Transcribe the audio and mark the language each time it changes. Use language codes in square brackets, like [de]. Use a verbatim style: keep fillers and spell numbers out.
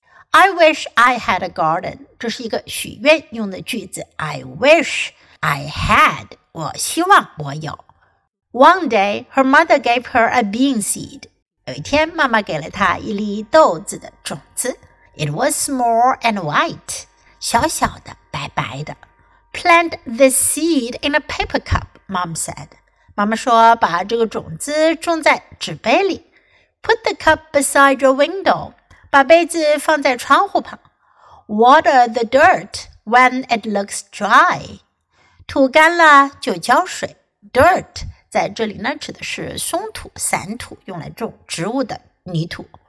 [en] I wish I had a garden. [zh] 这是一个许愿用的句子。 [en] I wish I had. [zh] 我希望我有。 [en] One day, her mother gave her a bean seed. [zh] 有一天，妈妈给了她一粒豆子的种子。 [en] It was small and white. [zh] 小小的，白白的。 [en] Plant this seed in a paper cup, Mom said. [zh] 妈妈说，把这个种子种在纸杯里。 [en] Put the cup beside your window. [zh] 把杯子放在窗户旁 [en] Water the dirt when it looks dry [zh] 土干了就浇水 Dirt 在这里呢指的是松土散土用来种植物的泥土